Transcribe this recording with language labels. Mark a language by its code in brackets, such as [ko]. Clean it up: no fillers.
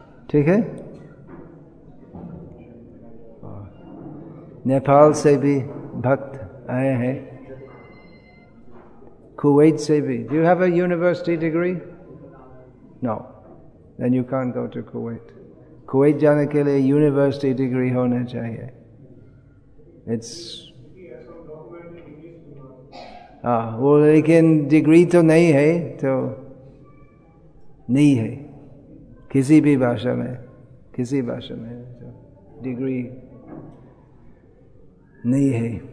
[hi] ठीक है, नेपाल से भी भक्त आए हैं, Kuwait से भी। [en] Do you have a university degree? No. Then you can't go to Kuwait. [hi] Kuwait जाने के लिए university degree होना चाहिए। It's वो लेकिन degree तो नहीं है, तो नहीं है किसी भी भाषा में, किसी भाषा में तो degree नहीं है।